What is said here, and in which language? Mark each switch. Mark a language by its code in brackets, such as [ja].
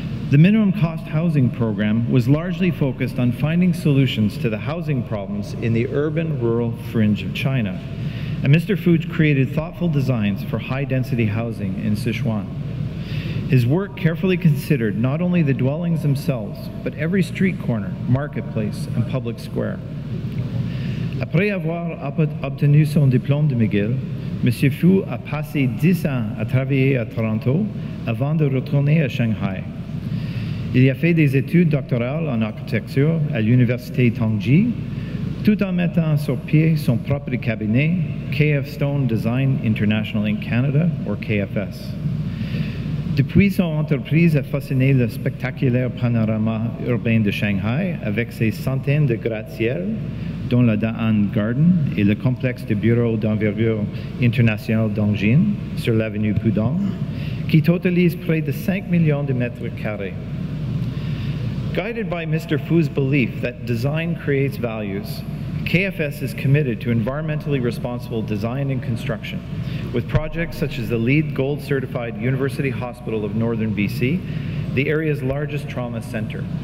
[en] The minimum cost housing program was largely focused on finding solutions to the housing problems in the urban-rural fringe of China, and Mr. Fu created thoughtful designs for high-density housing in Sichuan. His work carefully considered not only the dwellings themselves, but every street corner, marketplace, and public square. [fr] Après avoir obtenu son diplôme de McGill, Mr. Fu a passé 10 ans à travailler à Toronto avant de retourner à Shanghai. Il a fait des études doctorales en architecture à l'Université Tongji, tout en mettant sur pied son propre cabinet, KF Stone Design International Inc. Canada, or KFS. Depuis, son entreprise a façonné le spectaculaire panorama urbain de Shanghai avec ses centaines de gratte-ciel, dont la Da'an Garden et le complexe de bureaux d'envergure internationale d'Angine sur l'avenue Pudong, qui totalise près de 5 millions de mètres carrés. [en] Guided by Mr. Fu's belief that design creates values, KFS is committed to environmentally responsible design and construction, with projects such as the LEED Gold Certified University Hospital of Northern BC, the area's largest trauma center.